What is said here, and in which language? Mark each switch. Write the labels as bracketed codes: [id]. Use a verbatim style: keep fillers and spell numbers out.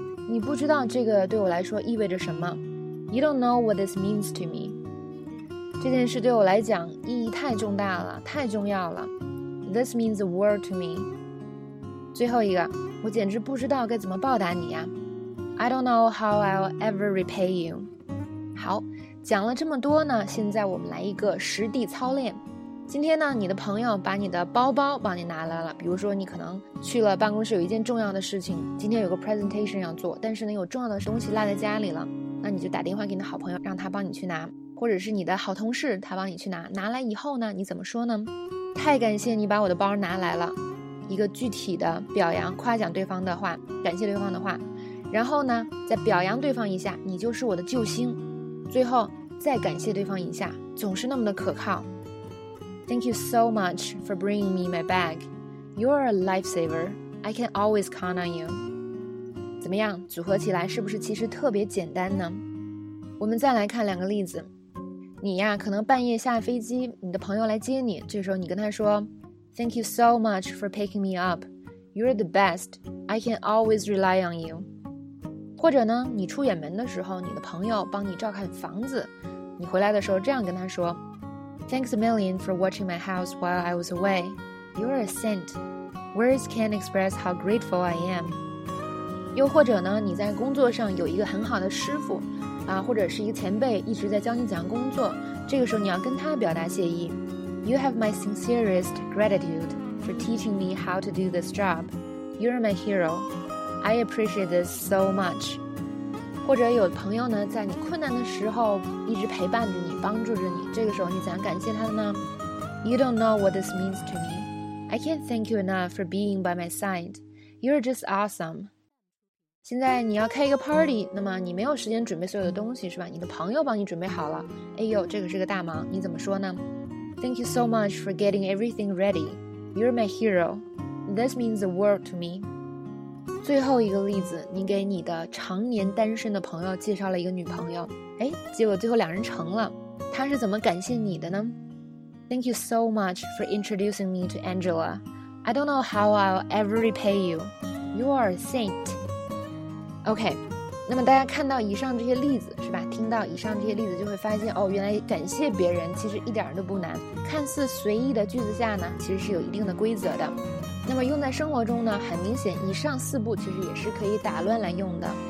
[zh] 你不知道这个对我来说意味着什么， [en] You don't know what this means to me. [zh] 这件事对我来讲意义太重大了，太重要了。 [en] This means the world to me. [zh] 最后一个，我简直不知道该怎么报答你呀。 [en] I don't know how I'll ever repay you. [zh] 好，讲了这么多呢，现在我们来一个实地操练。今天呢，你的朋友把你的包包帮你拿来了，比如说你可能去了办公室有一件重要的事情，今天有个 presentation 要做，但是呢有重要的东西落在家里了。那你就打电话给你的好朋友，让他帮你去拿，或者是你的好同事，他帮你去拿。拿来以后呢，你怎么说呢？太感谢你把我的包拿来了，一个具体的表扬、夸奖对方的话，感谢对方的话。然后呢，再表扬对方一下，你就是我的救星。最后再感谢对方一下，总是那么的可靠。 [en] Thank you so much for bringing me my bag. You're a lifesaver. I can always count on you. [zh] 怎么样，组合起来是不是其实特别简单呢？我们再来看两个例子。你呀，可能半夜下飞机，你的朋友来接你，这时候你跟他说 [en] Thank you so much for picking me up. You're the best. I can always rely on you. [zh] 或者呢，你出远门的时候，你的朋友帮你照看房子，你回来的时候这样跟他说 [en] Thanks a million for watching my house while I was away. You're a saint. Words can't express how grateful I am. [zh] 又或者呢，你在工作上有一个很好的师傅啊，或者是一个前辈一直在教你讲工作，这个时候你要跟他表达谢意。 [en] You have my sincerest gratitude for teaching me how to do this job. You're my hero. I appreciate this so much. [zh] 或者有朋友呢，在你困难的时候一直陪伴着你，帮助着你，这个时候你怎样感谢他呢？ [en] You don't know what this means to me. I can't thank you enough for being by my side. You're just awesome. [zh] 现在你要开一个 party， 那么你没有时间准备所有的东西，是吧？你的朋友帮你准备好了。哎呦，这个是个大忙，你怎么说呢？ [en] Thank you so much for getting everything ready. You're my hero. This means the world to me. [zh] 最后一个例子，你给你的常年单身的朋友介绍了一个女朋友，哎，结果最后两人成了。他是怎么感谢你的呢？ [en] Thank you so much for introducing me to Angela. I don't know how I'll ever repay you. You are a saint. [zh] OK， 那么大家看到以上这些例子是吧？听到以上这些例子就会发现，哦，原来感谢别人其实一点都不难。看似随意的句子下呢，其实是有一定的规则的。那么用在生活中呢，很明显，以上四步其实也是可以打乱来用的。